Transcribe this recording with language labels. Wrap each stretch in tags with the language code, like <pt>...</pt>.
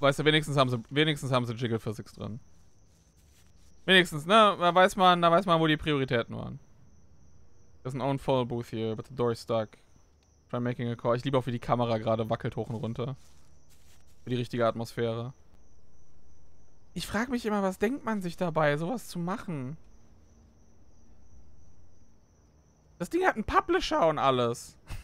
<de>Weißt du, wenigstens haben sie Jiggle Physics drin. Wenigstens, ne? Da weiß man, wo die Prioritäten waren.</de> <en>There's an own phone booth here, but the door is stuck. Try making a call.</en> <de>Ich liebe auch, wie die Kamera gerade wackelt hoch und runter. Für die richtige Atmosphäre. Ich frage mich immer, was denkt man sich dabei, sowas zu machen? Das Ding hat einen Publisher und alles.</de>